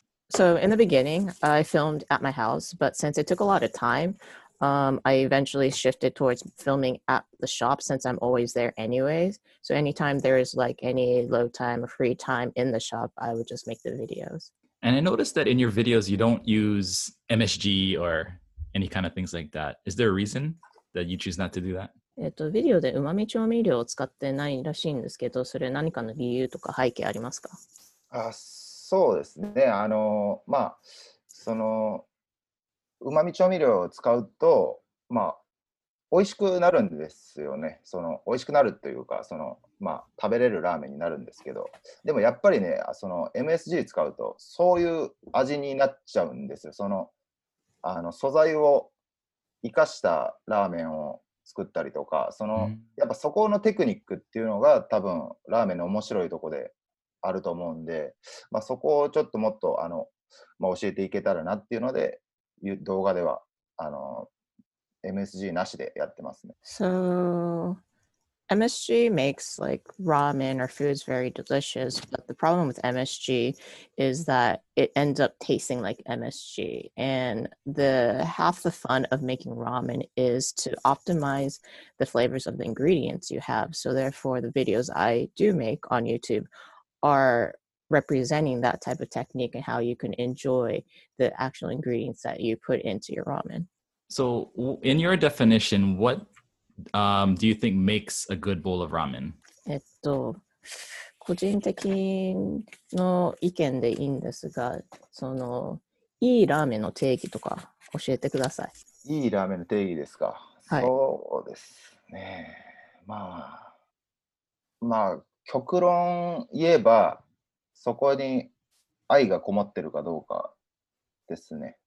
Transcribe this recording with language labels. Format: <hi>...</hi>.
<en>So in the beginning, I filmed at my house, but since it took a lot of time, I eventually shifted towards filming at the shop since I'm always there anyways. So anytime there is like any low time or free time in the shop, I would just make the videos. And I noticed that in your videos, you don't use MSG or any kind of things like that. Is there a reason that you choose not to do that?</en> <ja>ビデオでうまみ調味料を使ってないらしいんですけど、それ何かの理由とか背景ありますか？あ、そうですね。まあ、その、うまみ調味料を使うと、まあ、美味しくなるんですよね。その、美味しくなるというか、その、まあ、食べれるラーメンになるんですけど、でもやっぱりね、その、MSG 使うと、そういう味になっちゃうんですよ。その、素材を生かしたラーメンを作ったりとか、その、うん、やっぱそこのテクニックっていうのが、多分、ラーメンの面白いとこで、あると思うんで、まあ、そこをちょっともっと教えていけたらなっていうので、動画ではMSG なしでやってますね。</ja> <en>So, MSG makes like ramen or foods very delicious, but the problem with MSG is that it ends up tasting like MSG. And the half the fun of making ramen is to optimize the flavors of the ingredients you have. So therefore, the videos I do make on YouTubeare representing that type of technique and how you can enjoy the actual ingredients that you put into your ramen. So in your definition, what do you think makes a good bowl of ramen?</en> <ja>個人的の意見でいいんですが、そのいいラーメンの定義とか教えてください。いいラーメンの定義ですか？はい。そうですね。まあ、まあ、極論言えば、そこに愛がこもってるかどうかですね。</ja>